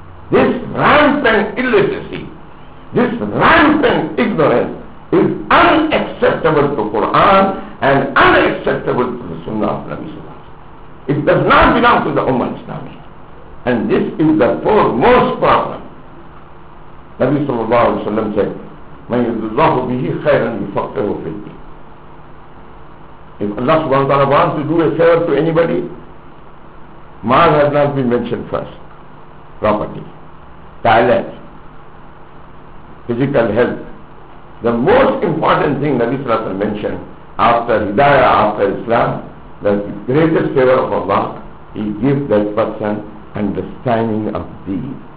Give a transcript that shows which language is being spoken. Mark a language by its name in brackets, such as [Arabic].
[English] This rampant illiteracy, this rampant ignorance is unacceptable to Quran and unacceptable to the Sunnah of Nabi. It does not belong to the Ummah Islami. And this is the foremost problem. [Arabic] Nabi sallallahu alayhi wa sallam said, مَنْ يَدُّ اللَّهُ بِهِ خَيْرًا يُفَقِّهُ فِي الدِّينِ. [English] If Allah subhanahu wa ta'ala wants to do a favor to anybody, maal has not been mentioned first. Property, talent, physical health. The most important thing Nabi sallallahu alayhi wa sallam mentioned after Hidayah, after Islam, the greatest favor of Allah, He gives that person understanding of deen.